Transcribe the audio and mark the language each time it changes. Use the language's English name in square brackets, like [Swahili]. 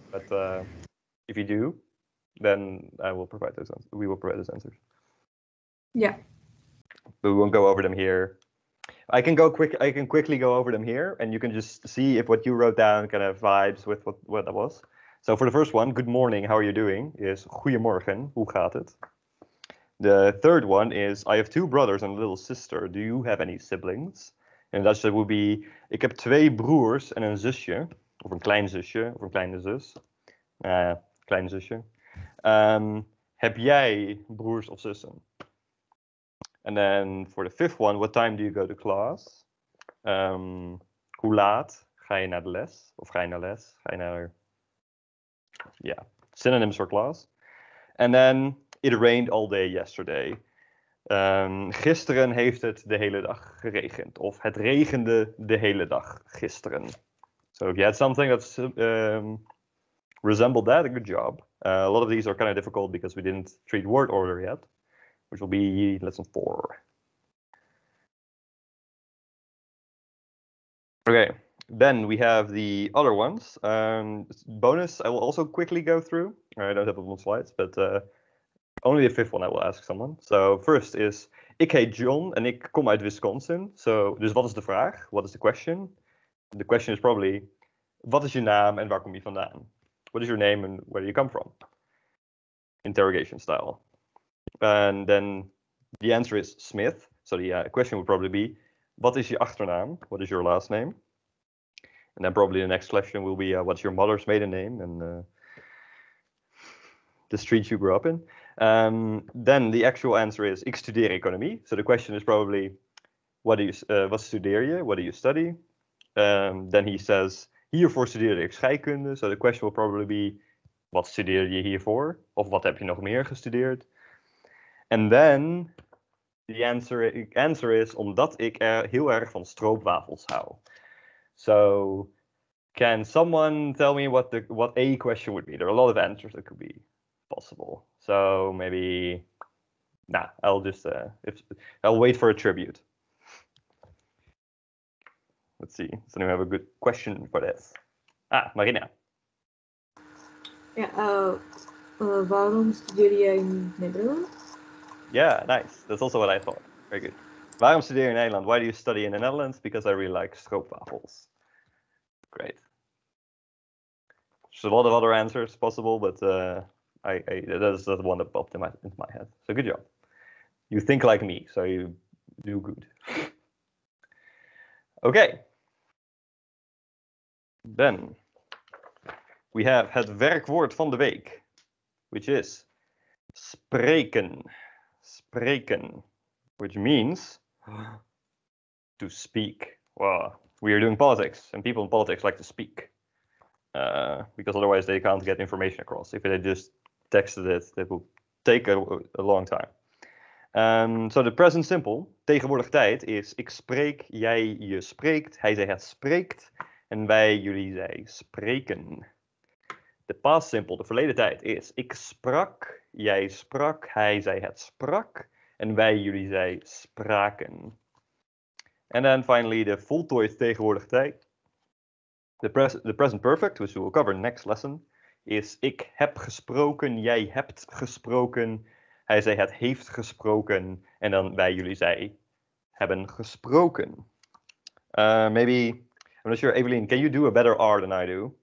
[English] But if you do, then I will provide those answers. We will provide those answers. Yeah. But we won't go over them here. I can quickly go over them here, and you can just see if what you wrote down kind of vibes with what that was. So for the first one, good morning, how are you doing? [Dutch] Is goedemorgen, hoe gaat het? [English] The third one is I have two brothers and a little sister. Do you have any siblings? And that would be [Dutch] ik heb twee broers en een zusje. of een klein zusje of een kleine zus. Kleine zusje. Heb jij broers of zussen? [English] And then for the fifth one, what time do you go to class? [Dutch] Hoe laat ga je naar de les? Of ga je naar les? Ga je naar... [English] Yeah, synonyms for class. And then, it rained all day yesterday. [Dutch] Gisteren heeft het de hele dag geregend. Of het regende de hele dag gisteren. [English] So if you had something that resembled that, good job. A lot of these are kind of difficult because we didn't treat word order yet. Which will be lesson 4. Okay, then we have the other ones. Bonus, I will also quickly go through. I don't have them on slides, but only the fifth one I will ask someone. So first is, [Dutch] ik heet John en ik kom uit Wisconsin. So, dus wat is de vraag? [English] What is the question? The question is probably, [Dutch] wat is je naam en waar kom je vandaan? [English] What is your name and where do you come from? Interrogation style. And then the answer is Smith. So the question would probably be, [Dutch] wat is je achternaam? [English] What is your last name? And then probably the next question will be, what's your mother's maiden name? And the street you grew up in. Then the actual answer is, [Dutch] ik studeer economie. [English] So the question is probably, [Dutch] wat studeer je? [English] What do you study? Then he says, [Dutch] hiervoor studeerde ik scheikunde. [English] So the question will probably be, [Dutch] wat studeer je hiervoor? Of wat heb je nog meer gestudeerd? [English] And then the answer is, [Dutch] omdat ik heel erg van stroopwafels hou. [English] So, can someone tell me what a question would be? There are a lot of answers that could be possible. So maybe, nah, I'll just I'll wait for a tribute. Let's see. Does anyone have a good question for this? Ah, Marina. Yeah. [Dutch] Waarom studeer jij in Nederland? [English] Yeah, nice. That's also what I thought. Very good. [Dutch] Waarom studeer je in Nederland? [English] Why do you study in the Netherlands? Because I really like stroopwafels. Great. There's a lot of other answers possible, but that's the one that popped into my head. So good job. You think like me, so you do good. Okay. Then we have [Dutch] het werkwoord van de week, [English] which is [Dutch] spreken. [English] Spreken, which means to speak. Wow. We are doing politics, and people in politics like to speak. Because otherwise they can't get information across. If they just texted it, it would take a long time. So the present simple, [Dutch] tegenwoordig tijd, is ik spreek, jij je spreekt, hij zij het spreekt, en wij jullie zij spreken. [English] The past simple, [Dutch] de verleden tijd, is ik sprak, jij sprak, hij zij het sprak, en wij jullie zij spraken. [English] And then finally, the [Dutch] voltooid tegenwoordig tijd. [English] The present perfect, which we will cover next lesson, is [Dutch] ik heb gesproken, jij hebt gesproken, hij zei het heeft gesproken, en dan wij jullie zij hebben gesproken. [English] Maybe, I'm not sure, Evelien, can you do a better R than I do?